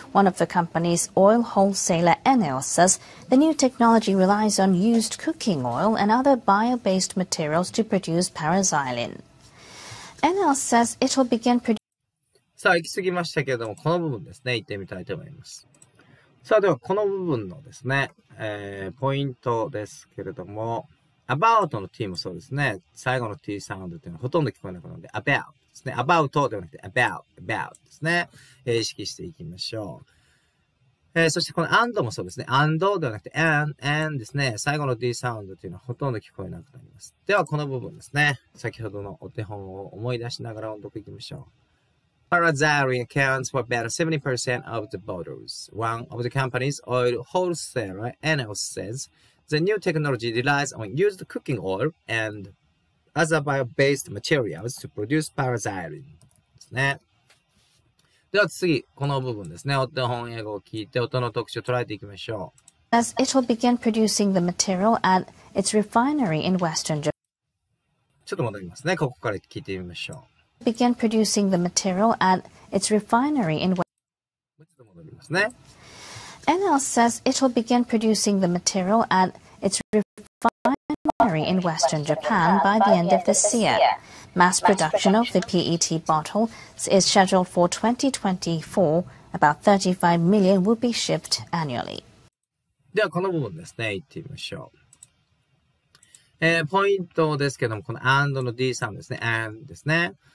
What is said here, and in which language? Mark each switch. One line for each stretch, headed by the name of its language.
English: One of the company's oil wholesaler, Enel, says the new technology relies on used cooking oil and other bio-based materials to produce paraxylene. Enel says it'll begin producing.
Japanese: さあ、行き過ぎましたけれども、この部分ですね、行ってみたいと思います。さあ、ではこの部分のですね、ポイントですけれども、about の t もそうですね、最後の t サウンドというのはほとんど聞こえなくなるので、about。 About ではなくて about ですね。意識していきましょう。そしてこの and もそうですね。 and ではなくて and ですね。最後の d サウンドというのはほとんど聞こえなくなります。ではこの部分ですね。先ほどのお手本を思い出しながら音読いきましょう。
English: Paraxylene accounts for about 70% of the bottles. One of the company's oil wholesaler, Enel, says the new technology relies on used cooking oil andother bio-based materials to produce paraxylene ですね。
Japanese: では次、この部分ですね。お手本英語を聞いて音の特徴を捉えていきましょう。
English: As it will begin producing the material at its refinery in Western Japan.
Japanese: ちょっと戻りますね。ここから聞いてみましょう。
English: Begin producing the material at its refinery in Western Japan.
Japanese: もう一度戻りますね。
English: NL says it will begin producing the material at its refinery. In Western Japan by the end of this year. Mass production of the PET bottle is scheduled for 2024. About 35 million will be shipped annually.
Japanese: ではこの部分ですね、行ってみましょう。ポイントですけども、この and の D さんですね、and ですね。